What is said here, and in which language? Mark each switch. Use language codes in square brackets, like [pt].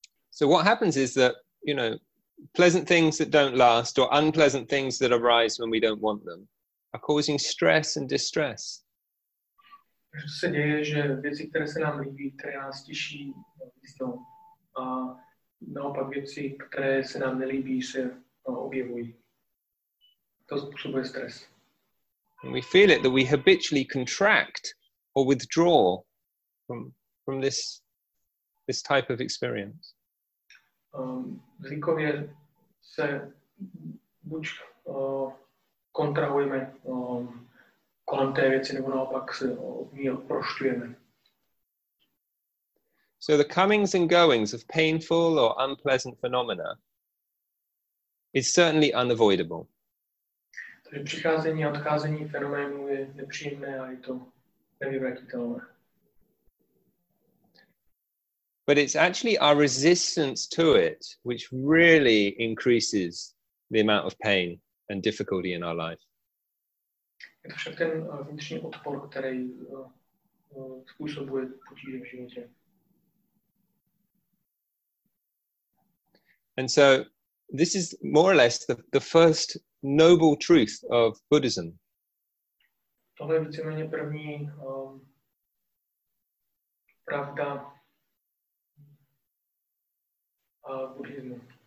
[en] So what happens is that, you know, pleasant things that don't last or unpleasant things that arise when we don't want them are causing stress and distress. [cs] Co se děje, že věci, které se nám líbí, které nás těší, a naopak věci, které se nám nelíbí, se objevují. To způsobuje stres. [en] And we feel it that we habitually contract or withdraw from this type of experience. [cs] Zvykově se buď kontrahujeme kolem té věci, nebo naopak se od ní oprošťujeme. [en] So the comings and goings of painful or unpleasant phenomena is certainly unavoidable. [cs] Takže přicházení a odcházení fenoménů je nepříjemné a je to nevyvratitelné. [en] But it's actually our resistance to it which really increases the amount of pain and difficulty in our life. [cs] Je to však ten vnitřní odpor, který způsobuje potíže v životě. [en] And so this is more or less the first noble truth of Buddhism. [cs] Tohle je víceméně první pravda buddhismu.